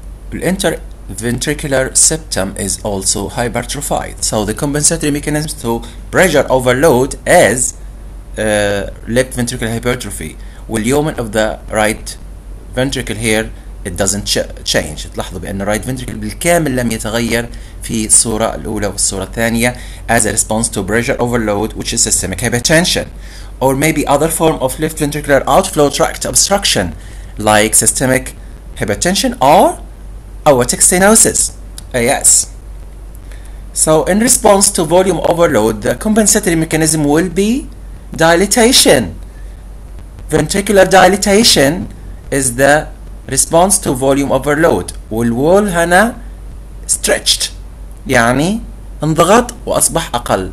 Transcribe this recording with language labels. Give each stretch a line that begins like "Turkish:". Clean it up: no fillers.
English: The interventricular septum is also hypertrophied. So the compensatory mechanism to pressure overload is left ventricular hypertrophy. The lumen of the right ventricle here, it doesn't change.
Arabic: تلاحظوا بأن
English: right ventricle
Arabic: بالكامل لم يتغير في الصورة الأولى والصورة الثانية
English: as a response to pressure overload, which is systemic hypertension. Or maybe other form of left ventricular outflow tract obstruction like systemic hypertension or aortic stenosis, AS. So in response to volume overload, the compensatory mechanism will be dilatation. Ventricular dilatation is the response to volume overload.
Arabic: والوال هنا stretched يعني انضغط وأصبح أقل.